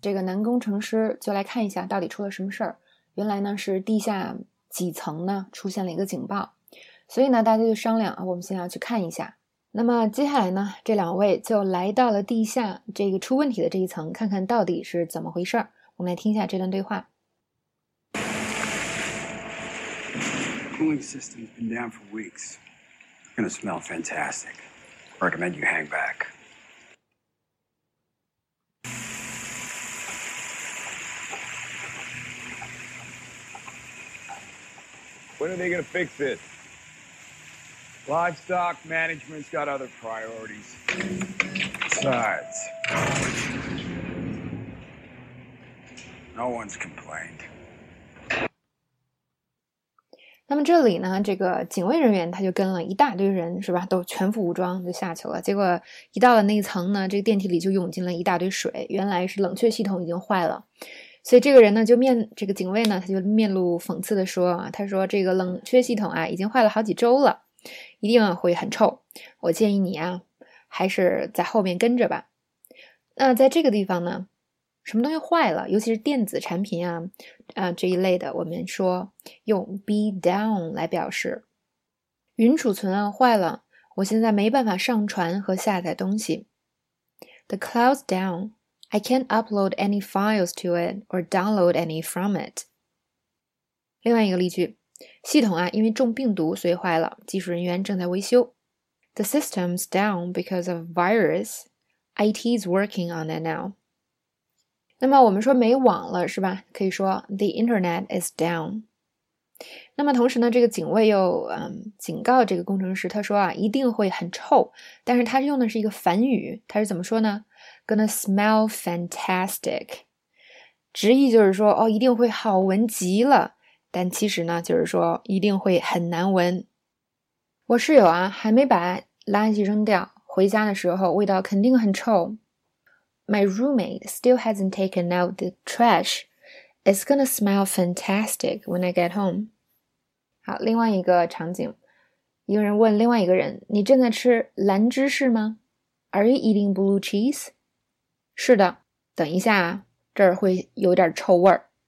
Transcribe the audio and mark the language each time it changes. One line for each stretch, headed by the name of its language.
Chinese: 这个男工程师就来看一下到底出了什么事儿。原来呢，是地下几层呢出现了一个警报。所以呢，大家就商量啊，我们先要去看一下。那么接下来呢，这两位就来到了地下这个出问题的这一层，看看到底是怎么回事。我们来听一下这段对话。
English: Cooling system's been down for weeks. Gonna smell fantastic. Recommend you hang back. When are they gonna fix it? Livestock management's got other priorities. Besides, no one's complained.
Chinese: 那么这里呢，这个警卫人员他就跟了一大堆人，是吧？都全副武装就下去了。结果一到了那一层呢，这个电梯里就涌进了一大堆水，原来是冷却系统已经坏了。所以这个人呢，这个警卫呢，他就面露讽刺的说啊，他说这个冷却系统啊，已经坏了好几周了。一定会很臭，我建议你啊，还是在后面跟着吧。那在这个地方呢，什么东西坏了，尤其是电子产品啊这一类的，我们说用 be down 来表示。云储存啊坏了，我现在没办法上传和下载东西。
English: The cloud's down, I can't upload any files to it or download any from it.
Chinese: 另外一个例句。系统啊，因为中病毒所以坏了，技术人员正在维修。
English: The system's down because of virus. IT's working on it now.
Chinese: 那么我们说没网了是吧？可以说
English: The internet is down.
Chinese: 那么同时呢，这个警卫又警告这个工程师，他说啊，一定会很臭，但是他用的是一个反语，他是怎么说呢 ？
English: Gonna smell fantastic.
Chinese: 直译就是说哦，一定会好闻极了。但其实呢，就是说一定会很难闻。我室友啊，还没把垃圾扔掉，回家的时候味道肯定很臭。
English: My roommate still hasn't taken out the trash. It's gonna smell fantastic when I get home.
Chinese: 好，另外一个场景，一个人问另外一个人：“你正在吃蓝芝士吗 ？”
English: Are you eating blue cheese？
Chinese: 是的，等一下啊，这儿会有点臭味儿。